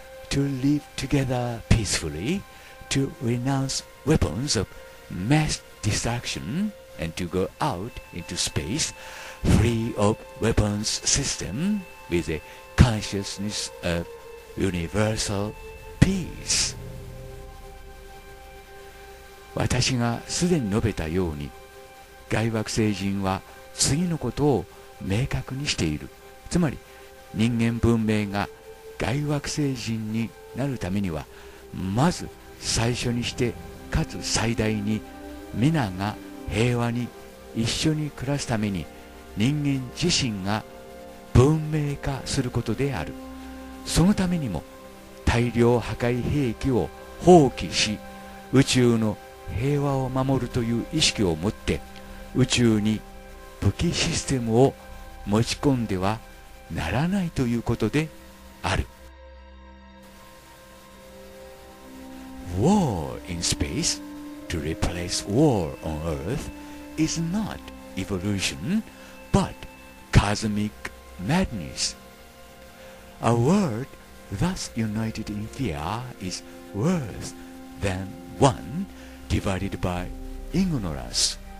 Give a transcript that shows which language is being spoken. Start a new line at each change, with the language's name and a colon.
English: to live together peacefully, to renounce weapons of mass destruction, and to go out into space free of weapons system with a consciousness of universal peace.
Japanese: 私がすでに述べたように、外惑星人は次のことを明確にしている。つまり、人間文明が外惑星人になるためには、まず最初にして、かつ最大に、皆が平和に一緒に暮らすために、人間自身が文明化することである。そのためにも、大量破壊兵器を放棄し、宇宙の平和を守るという意識を持って宇宙に武器システムを持ち込んではならないということである。
English: War in space to replace war on earth is not evolution but cosmic madness. A world thus united in fear is worse than onedivided by ignorance.